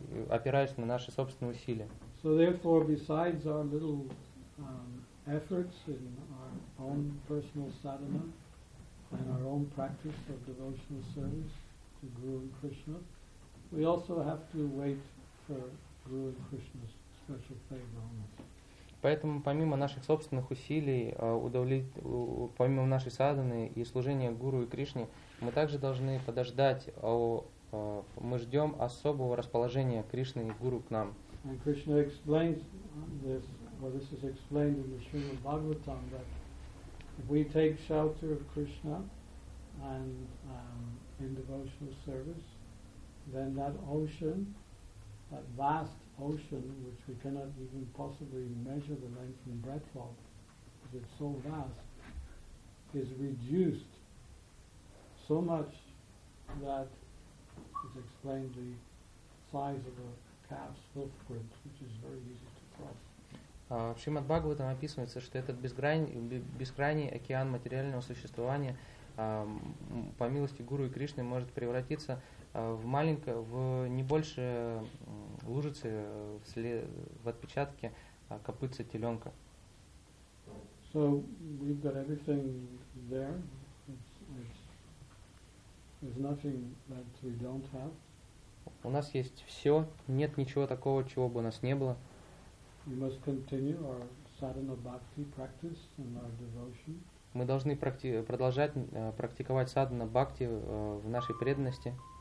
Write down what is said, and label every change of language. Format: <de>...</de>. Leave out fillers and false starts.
<ru>Опираясь на наши собственные усилия.</ru> <en>So therefore, besides our little efforts in our own personal sadhana and our own practice of devotional service to Guru and Krishna, we also have to wait for Guru and Krishna's special favor on us.</en> <ru>Поэтому помимо наших собственных усилий, помимо нашей садханы и служения Гуру и Кришне, мы также должны подождать мы ждем особого расположения Кришны и Гуру к нам.</ru> <en>And Krishna explains this, well, this is explained in the Srimad Bhagavatam, that if we take shelter of Krishna and in devotional service, then that ocean, that vast ocean, which we cannot even possibly measure the length and breadth of, because it's so vast, is reduced so much that it's explained the size of a calf's footprint, which is very easy to cross.</en> <ru>В Шримад Бхагаватам описывается, что этот бескрайний океан материального существования по милости Гуру и Кришны может превратиться в маленькое, в не больше лужицы в отпечатке копытца теленка.</ru> <en>So we've got everything there. There's nothing that we don't have.</en> <ru>У нас есть все, нет ничего такого, чего бы у нас не было.</ru> <en>We must continue our sadhana bhakti practice and our devotion.</en> <ru>Мы должны продолжать практиковать садхана бхакти в нашей преданности.</ru>